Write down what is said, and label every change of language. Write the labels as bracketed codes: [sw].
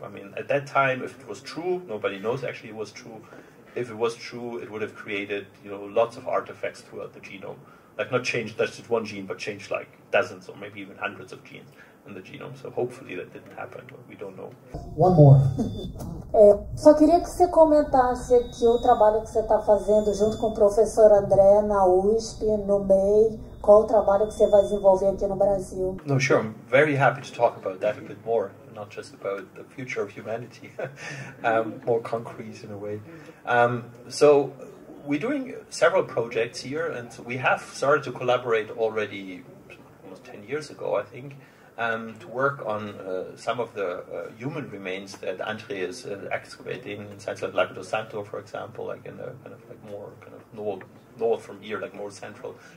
[en] I mean, at that time, if it was true, nobody knows actually it was true. If it was true, it would have created, you know, lots of artifacts throughout the genome. Like, not changed just one gene, but changed like dozens or maybe even hundreds of genes in the genome. So hopefully that didn't happen, but we don't know. One more. [pt] Só queria que você comentasse aqui o trabalho que você está fazendo junto com o professor André na USP, no MEI. Qual o trabalho que você vai desenvolver aqui no Brasil? [en] No, sure. I'm very happy to talk about that a bit more, not just about the future of humanity, more concrete in a way. So we're doing several projects here, and we have started to collaborate already almost 10 years ago, I think, to work on some of the human remains that André is excavating in sites like Lago do Santo, for example, like in the kind of like more kind of north from here, like more central